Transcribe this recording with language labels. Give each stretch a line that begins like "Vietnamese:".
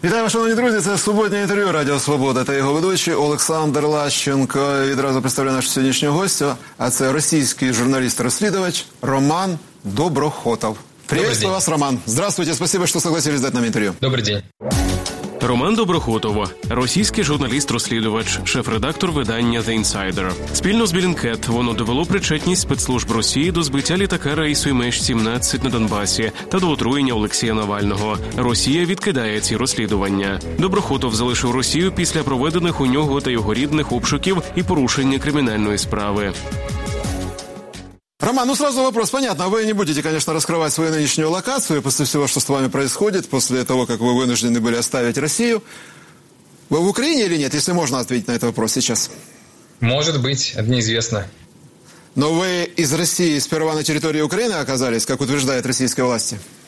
Ukrainian: шановні друзі, це суботнє інтерв'ю Радіо Свобода та його ведучий Олександр Лащенко. Відразу представляю нашого сьогоднішнього гостя, а це російський журналіст-розслідувач Роман Доброхотов.
Russian: Приветствую вас, Роман. Здравствуйте, спасибо, что согласились дать нам интервью. Добрый день.
Ukrainian: Роман Доброхотова, російський журналіст-розслідувач, шеф-редактор видання «The Insider». Спільно з Bellingcat воно довело причетність спецслужб Росії до збиття літака рейсу MH17 на Донбасі та до отруєння Олексія Навального. Росія відкидає ці розслідування. Доброхотов залишив Росію після проведених у нього та його рідних обшуків і порушення кримінальної справи.
Russian: Роман, ну сразу вопрос. Понятно, вы не будете, конечно, раскрывать свою нынешнюю локацию после всего, что с вами происходит, после того, как вы вынуждены были оставить Россию. Вы в Украине или нет, если можно ответить на этот вопрос сейчас? Может быть, это неизвестно. Но вы из России сперва на территории Украины оказались, как утверждают российские власти?